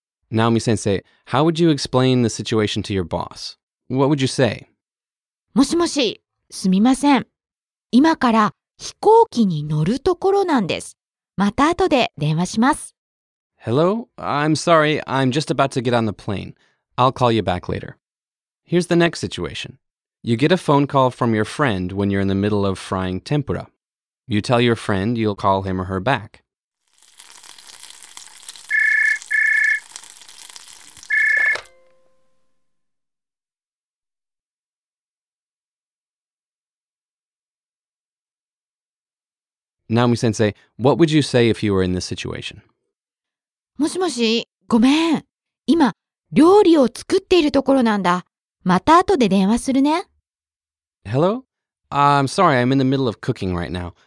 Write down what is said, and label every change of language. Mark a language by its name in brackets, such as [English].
[English] Naomi sensei, how would you explain the situation to your boss? What would you say? [Japanese] もしもし、すみません。今から飛行機に乗るところなんです。また後で電話します。 [English] Hello? I'm sorry. I'm just about to get on the plane. I'll call you back later. Here's the next situation. You get a phone call from your friend when you're in the middle of frying tempura. You tell your friend you'll call him or her back. Naomi sensei, what would you say if you were in this situation? [Japanese] もしもし、ごめん。今、料理を作っているところなんだ。また後で電話するね。 [English] Hello? I'm sorry, I'm in the middle of cooking right now.